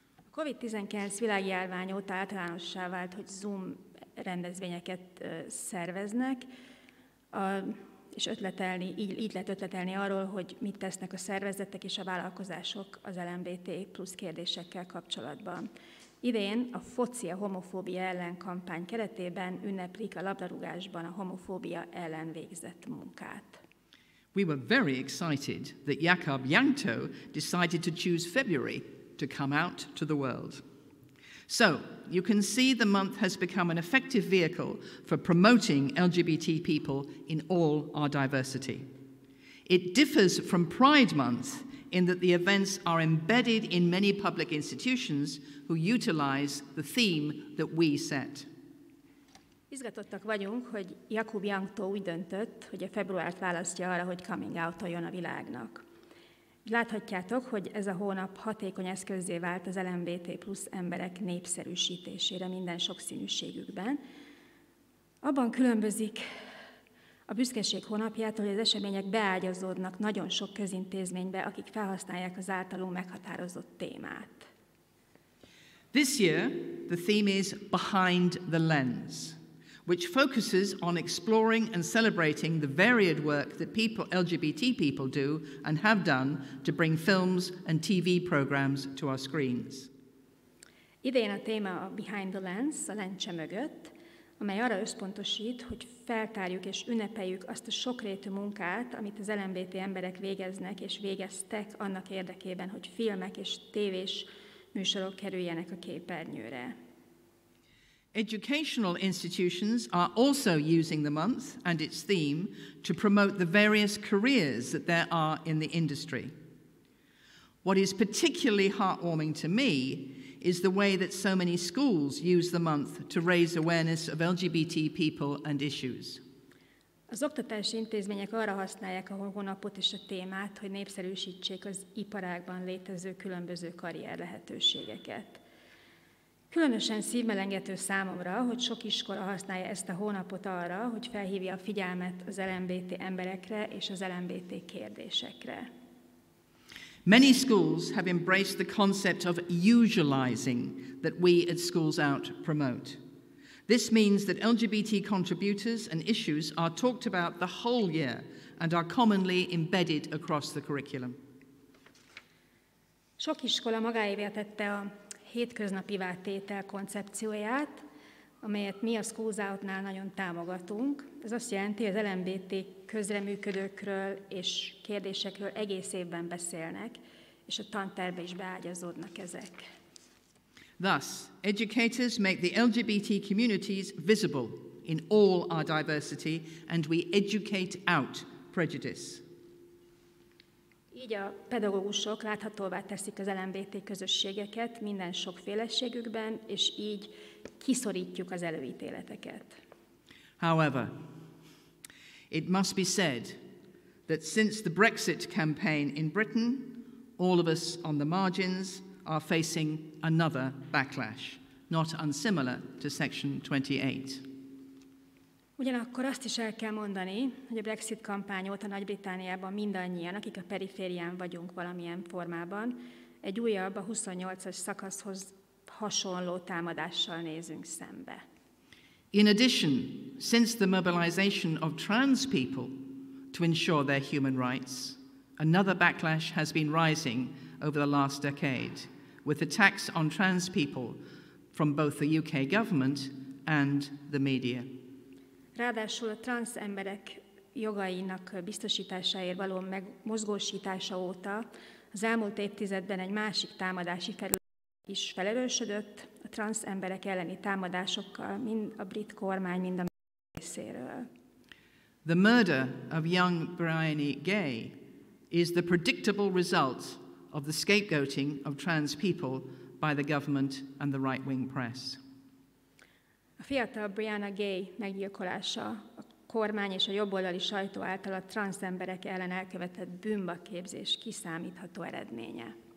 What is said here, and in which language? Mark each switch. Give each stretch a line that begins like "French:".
Hungarian: COVID-19 világjárvány óta általánossá vált, hogy Zoom rendezvényeket szerveznek. És ötletelni, így lehet ötletelni arról, hogy mit tesznek a szervezetek és a vállalkozások az LMBT plusz kérdésekkel kapcsolatban. Idén a foci a homofóbia ellen kampány keretében ünneplik a labdarúgásban a homofóbia ellen végzett munkát.
English: We were very excited that Jakab Jankto decided to choose February to come out to the world. So, you can see the month has become an effective vehicle for promoting LGBT people in all our diversity. It differs from Pride Month in that the events are embedded in many public institutions who utilize the theme that we set.
Hungarian: Izgatottak vagyunk, hogy Jakab Jankto úgy döntött, hogy a februárt választja arra, hogy coming out-oljon a világnak. Láthatjátok, hogy ez a hónap hatékony eszközzé vált az LMBT plusz emberek népszerűsítésére minden sokszínűségükben. Abban különbözik a büszkeség hónapjától, hogy az események beágyazódnak nagyon sok közintézménybe, akik felhasználják az általunk meghatározott témát.
English: This year the theme is Behind the Lens, which focuses on exploring and celebrating the varied work that people, LGBT people do and have done to bring films and TV programs to our screens.
Hungarian: Idén a téma a Behind the Lens, a lencse mögött. amely arra összpontosít, hogy feltárjuk és ünnepeljük azt a sokrétű munkát, amit az LMBT emberek végeznek és végeztek annak érdekében, hogy filmek és tévés műsorok kerüljenek a képernyőre.
English: Educational institutions are also using the month and its theme to promote the various careers that there are in the industry. What is particularly heartwarming to me is the way that so many schools use the month to raise awareness of LGBT people and issues.
Hungarian: Az oktatási intézmények arra használják a hónapot és a témát, hogy népszerűsítsék az iparágban létező különböző karrier lehetőségeket. Különösen szívmelengető számomra, hogy sok iskola használja ezt a hónapot arra, hogy felhívja a figyelmet az LMBT emberekre és az LMBT kérdésekre.
English: Many schools have embraced the concept of usualizing that we at Schools Out promote. This means that LGBT contributors and issues are talked about the whole year and are commonly embedded across the curriculum.
Hungarian: Sok iskola magáévé tette a hétköznapivá tétel koncepcióját, amelyet mi a Schools Out-nál nagyon támogatunk. Ez azt jelenti, hogy az LMBT közreműködőkről és kérdésekről egész évben beszélnek, és a tanterbe is beágyazódnak ezek.
English: Thus, educators make the LGBT communities visible in all our diversity, and we educate out prejudice.
Hungarian: Így a pedagógusok láthatóvá teszik az LMBT közösségeket minden sokféleségükben, és így kiszorítjuk az előítéleteket.
English: However, it must be said that since the Brexit campaign in Britain, all of us on the margins are facing another backlash, not unsimilar to Section 28.
Hungarian: Ugyanakkor azt is el kell mondani, hogy a Brexit kampány óta Nagy-Britániában mindannyian, akik a periférián vagyunk valamilyen formában, egy újabb, a 28-as szakaszhoz hasonló támadással nézünk szembe.
English: In addition, since the mobilization of trans people to ensure their human rights, another backlash has been rising over the last decade, with attacks on trans people from both the UK government and the media.
Hungarian: Ráadásul a transz emberek jogainak biztosításáért való megmozgósítása óta az elmúlt évtizedben egy másik támadási terület is felerősödött, a transz emberek elleni támadásokkal mind a brit kormány, mind a részéről.
English: The murder of young Bryony Gay is the predictable result of the scapegoating of trans people by the government and the right-wing press.
Hungarian: A fiatal Brianna Gay meggyilkolása a kormány és a jobboldali sajtó által a transz emberek ellen elkövetett bűnbakképzés kiszámítható eredménye.